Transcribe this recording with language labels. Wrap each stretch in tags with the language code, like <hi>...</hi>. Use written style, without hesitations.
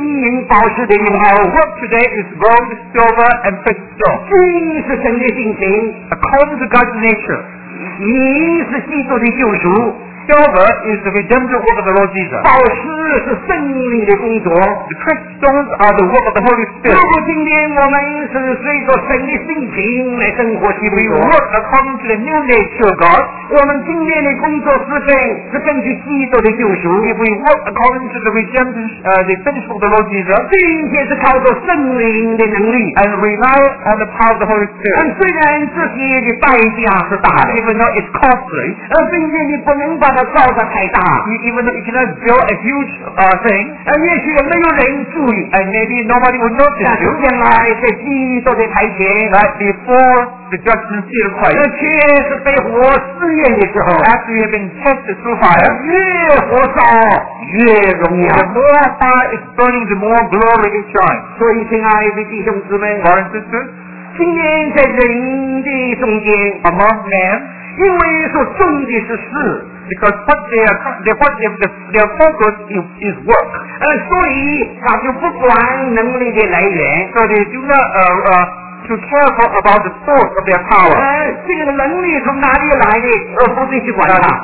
<en>Our work today is gold, silver, and precious stone. According to God's nature, silver is the redemptive work of the Lord Jesus.</en> <zh>宝石是圣灵的工作.</zh> <en>The precious stones are the work of the Holy Spirit.</en> <zh>如果今天我们是随着神的性情来生活基督徒,</zh> <en>we work according to the new nature of God.</en> <zh>我们今天的工作是根据基督的救赎.</zh> <en>If we work according to the redemption, the finished work of the Lord Jesus,</en> <zh>并且是靠着圣灵的能力,</zh> <en>and rely on the power of the Holy Spirit.</en> <zh>虽然这些的代价是大的,</zh> <en>even though it's costly,</en> <zh>并且你不能把它造得太大,</zh> <en>even though you cannot build a huge thing,</en> <zh>也许没有人注意,</zh> <en>and maybe nobody would notice you.</en> <zh>将来在基督的台前,</zh> <en>right before the judgment seat of Christ,</en> <zh>确实被火试验的时候,</zh> <en>after you have been tested through fire,</en> <zh>越火烧越荣耀,</zh> <en>the more fire is burning, the more glory it shines.</en> <zh>所以亲爱的弟兄姊妹,</zh> <en>brothers and sisters,</en> <zh>今天在人的中间,</zh> <en>among men,</en> <zh>因为所重的是事,</zh> <en>because what their focus is work,</en> <zh>所以他就不管能力的来源,</zh> <en>so they do not to care about the source of their power.</en> <zh>这个能力从哪里来的, 而不必去管它,</zh>